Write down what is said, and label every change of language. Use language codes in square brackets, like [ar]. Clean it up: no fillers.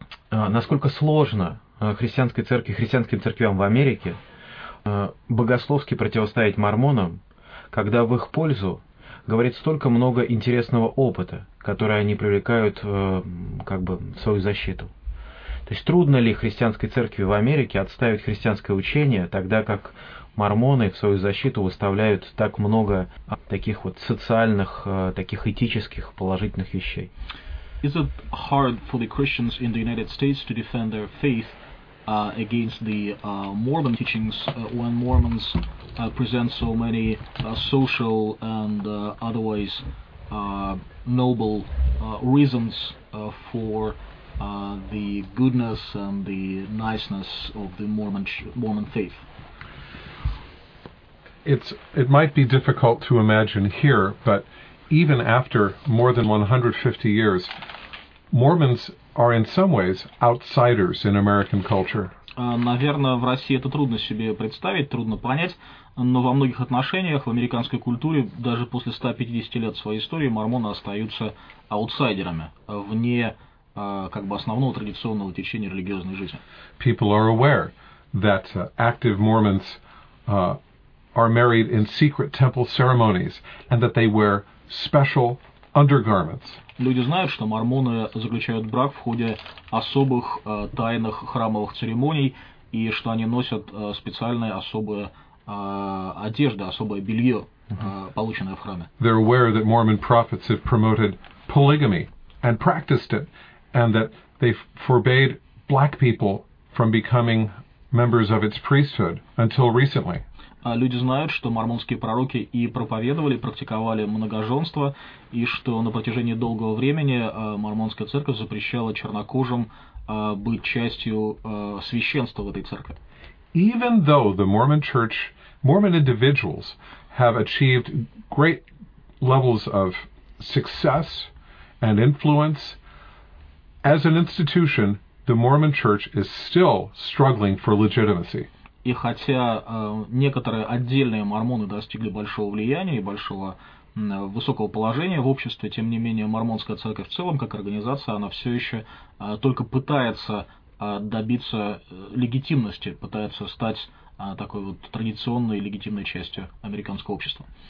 [ru] Насколько сложно христианской церкви, христианским церквям в Америке богословски противостоять мормонам, когда в их пользу говорит столько много интересного опыта, который они привлекают как бы в свою защиту? То есть трудно ли христианской церкви в Америке отстаивать христианское учение, тогда как мормоны в свою защиту выставляют так много таких вот социальных, таких этических, положительных вещей? [en] Is it hard for the Christians in the United States to defend their faith against the Mormon teachings when Mormons present so many social and otherwise noble reasons for the goodness and the niceness of the Mormon faith? It might be difficult to imagine here, but even after more than 150 years, Mormons are in some ways outsiders in American culture. [ru] Наверное, в России это трудно себе представить, трудно понять, но во многих отношениях в американской культуре даже после 150 лет своей истории мормоны остаются аутсайдерами вне как бы основного традиционного течения религиозной жизни. [en] People are aware that active Mormons are married in secret temple ceremonies and that they wear special undergarments. [ru] Люди знают, что мормоны заключают брак в ходе особых тайных храмовых церемоний и что они носят специальные особые одежды, особое белье, полученное в храме. [en] They're aware that Mormon prophets have promoted polygamy and practiced it, and that they forbade black people from becoming members of its priesthood until recently. [ru] Люди знают, что мормонские пророки и проповедовали, практиковали многоженство, и что на протяжении долгого времени мормонская церковь запрещала чернокожим быть частью священства в этой церкви. [en] Even though the Mormon Church, Mormon individuals have achieved great levels of success and influence, as an institution, the Mormon Church is still struggling for legitimacy. [ru] И хотя некоторые отдельные мормоны достигли большого влияния и большого высокого положения в обществе, тем не менее Мормонская церковь в целом, как организация, она все еще только пытается добиться легитимности, пытается стать такой вот традиционной легитимной частью американского общества.